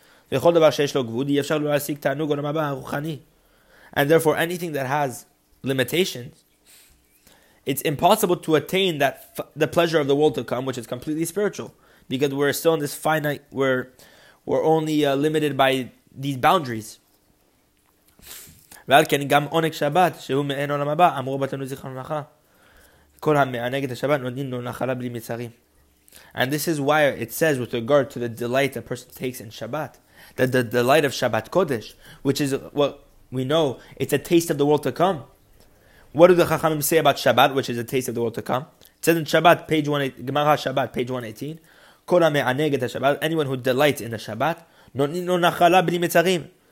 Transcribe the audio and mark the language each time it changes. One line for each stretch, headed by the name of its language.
English: And therefore, anything that has limitations, it's impossible to attain that the pleasure of the world to come, which is completely spiritual, because we're still in this finite, we're only limited by these boundaries.
Hebrew: ועל כן גם עונג שבת שהוא מעין עולם הבא אמרו בתנו זיכרון לברכה כל המענג את השבת נותנים לו נחלה בלי מצרים.
English: And this is why it says with regard to the delight a person takes in Shabbat, that the delight of Shabbat Kodesh, which is what we know, it's a taste of the world to come, What do the Chachamim say about Shabbat, which is a taste of the world to come? It says in Shabbat, Gemara Shabbat, page 118,
Hebrew: Kol ha-me'aneg et ha-Shabbat,
English: anyone who delights in the Shabbat, no
Hebrew: nachala b'ni mitzarim.